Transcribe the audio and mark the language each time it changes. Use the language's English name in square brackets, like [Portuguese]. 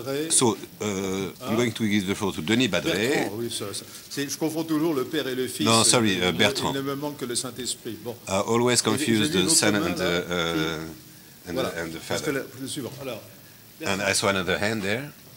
[English] So, I'm going to give the floor to Denis Badret. [French] Bertrand, oui, c'est, je confonds toujours le père et le fils. [English] No, sorry, Bertrand. [French] Il ne me manque que le Saint-Esprit. Bon. [English] I always confuse the son and the and the father. [French] Le suivant. Alors, [English] and I saw another hand there.